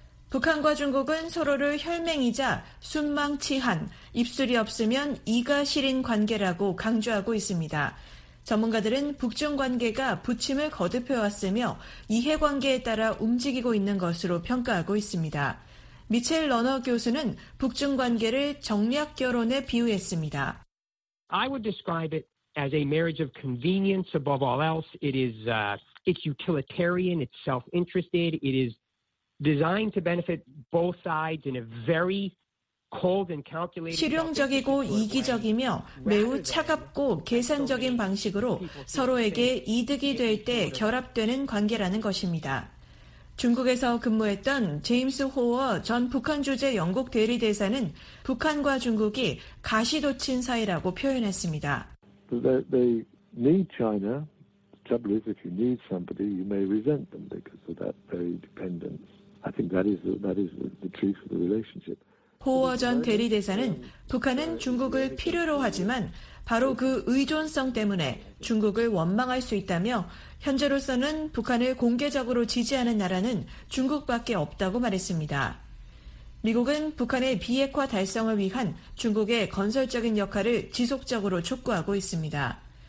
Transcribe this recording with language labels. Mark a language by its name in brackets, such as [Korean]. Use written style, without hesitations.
[Korean] 북한과 중국은 서로를 혈맹이자 순망치한, 입술이 없으면 이가 시린 관계라고 강조하고 있습니다. 전문가들은 북중 관계가 부침을 거듭해왔으며 이해관계에 따라 움직이고 있는 것으로 평가하고 있습니다. 미첼 러너 교수는 북중 관계를 정략 결혼에 비유했습니다. [English] I would describe it as a marriage of convenience above all else. It is it's utilitarian, it's self-interested, it is designed to benefit both sides in a very [Korean] 실용적이고 이기적이며 매우 차갑고 계산적인 방식으로 서로에게 이득이 될 때 결합되는 관계라는 것입니다. 중국에서 근무했던 제임스 호어 전 북한 주재 영국 대리대사는 북한과 중국이 가시돋친 사이라고 표현했습니다. [English] They need China. The trouble is if you need somebody, you may resent them because of that very dependence. I think that is the truth of the relationship. [Korean] 호어 전 대리대사는 북한은 중국을 필요로 하지만 바로 그 의존성 때문에 중국을 원망할 수 있다며 현재로서는 북한을 공개적으로 지지하는 나라는 중국밖에 없다고 말했습니다. 미국은 북한의 비핵화 달성을 위한 중국의 건설적인 역할을 지속적으로 촉구하고 있습니다.